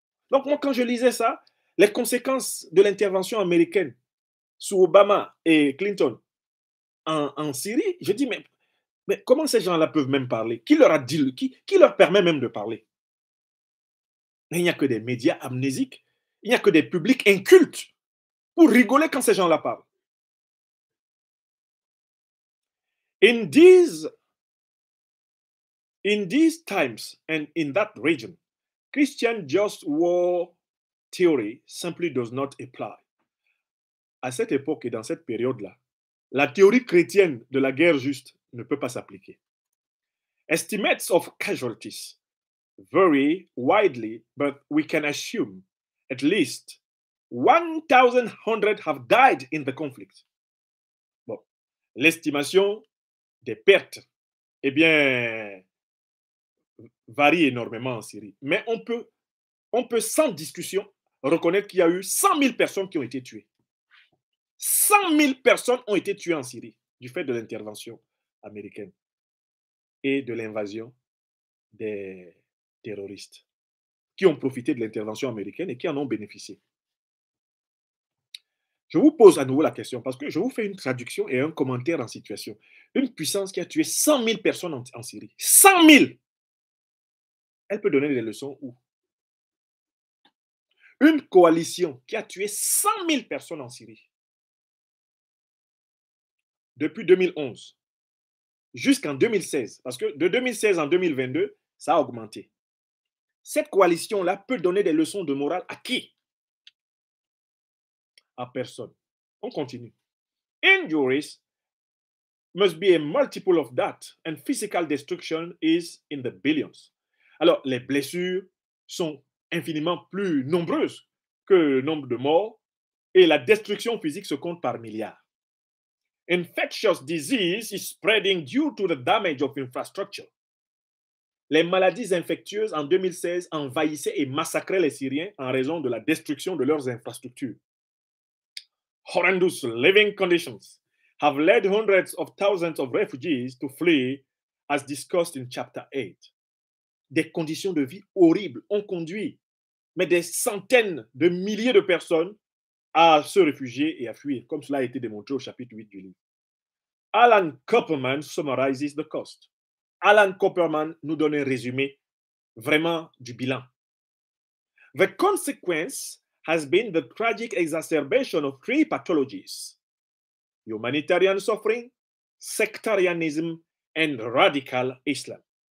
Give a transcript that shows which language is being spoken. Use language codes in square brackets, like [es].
[fr] Donc moi, quand je lisais ça, les conséquences de l'intervention américaine sous Obama et Clinton en Syrie, je dis, mais comment ces gens-là peuvent même parler? Qui leur a dit, qui leur permet même de parler? Mais il n'y a que des médias amnésiques. Il n'y a que des publics incultes pour rigoler quand ces gens-là parlent. [en] In these times and in that region, Christian just war theory simply does not apply. [fr] À cette époque et dans cette période-là, la théorie chrétienne de la guerre juste ne peut pas s'appliquer. [en] Estimates of casualties vary widely, but we can assume at least 1,100 have died in the conflict. [fr] Bon, l'estimation des pertes, eh bien, varie énormément en Syrie. Mais on peut sans discussion reconnaître qu'il y a eu 100 000 personnes qui ont été tuées. 100 000 personnes ont été tuées en Syrie du fait de l'intervention américaine et de l'invasion des terroristes qui ont profité de l'intervention américaine et qui en ont bénéficié. Je vous pose à nouveau la question parce que je vous fais une traduction et un commentaire en situation. Une puissance qui a tué 100 000 personnes en Syrie. 100 000! Elle peut donner des leçons où? Une coalition qui a tué 100 000 personnes en Syrie depuis 2011 jusqu'en 2016, parce que de 2016 en 2022, ça a augmenté. Cette coalition-là peut donner des leçons de morale à qui? À personne. On continue. [en] Injuries must be a multiple of that, and physical destruction is in the billions. [fr] Alors, les blessures sont infiniment plus nombreuses que le nombre de morts et la destruction physique se compte par milliards. [en] Infectious disease is spreading due to the damage of infrastructure. [fr] Les maladies infectieuses en 2016 envahissaient et massacraient les Syriens en raison de la destruction de leurs infrastructures. [en] Horrendous living conditions have led hundreds of thousands of refugees to flee, as discussed in chapter 8. [fr] Des conditions de vie horribles ont conduit mais des centaines de milliers de personnes à se réfugier et à fuir, comme cela a été démontré au chapitre 8 du livre. [en] Alan Kopperman summarizes the cost. [fr] Alan Kopperman nous donne un résumé vraiment du bilan. [en] The consequence has been the tragic exacerbation of three pathologies: humanitarian suffering, sectarianism, and radical Islam.